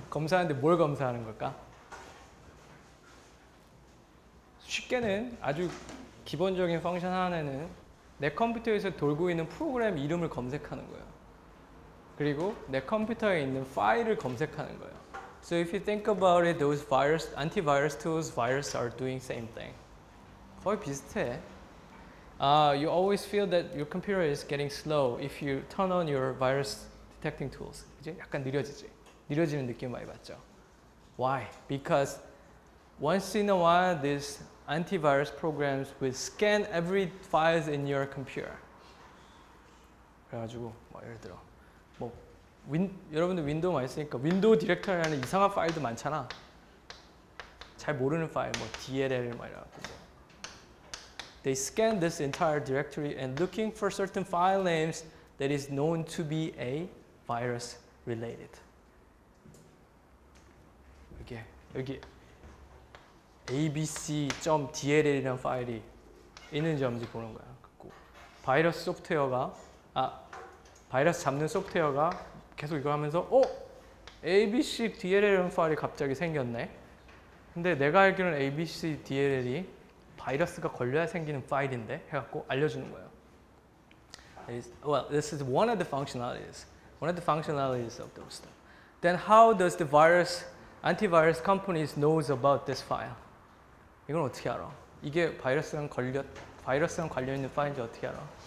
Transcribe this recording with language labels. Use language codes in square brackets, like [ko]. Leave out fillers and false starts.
[ko] 검사하는데 뭘 검사하는 걸까? 쉽게는 아주 기본적인 펑션 하나는 내 컴퓨터에서 돌고 있는 프로그램 이름을 검색하는 거예요. 그리고 내 컴퓨터에 있는 파일을 검색하는 거예요. [en] So if you think about it, those virus, antivirus tools, virus are doing same thing. [ko] 거의 비슷해. [en] You always feel that your computer is getting slow if you turn on your virus detecting tools. [ko] 그치? 약간 느려지지? 느려지는 느낌 많이 받죠? [en] Why? Because once in a while, this antivirus programs will scan every files in your computer. [ko] 그래가지고 뭐 예를 들어 뭐 여러분들 윈도우 많이 쓰니까 윈도우 디렉터리라는 이상한 파일도 많잖아. 잘 모르는 파일 뭐 DLL 막 이래갖고 뭐. [en] They scan this entire directory and looking for certain file names that is known to be a virus related. [ko] 여기 abc.dll이라는 파일이 있는지 없는지 보는 거야. 그리고 바이러스 소프트웨어가 바이러스 잡는 소프트웨어가 계속 이거 하면서 어? abc.dll이라는 파일이 갑자기 생겼네. 근데 내가 알기로는 abc.dll이 바이러스가 걸려야 생기는 파일인데 해갖고 알려주는 거예요. [en] Well, this is one of the functionalities. One of the functionalities of those stuff. Then how does the virus antivirus companies knows about this file? [ko] 이건 어떻게 알아? 이게 바이러스랑 관련 있는 파일인지 어떻게 알아?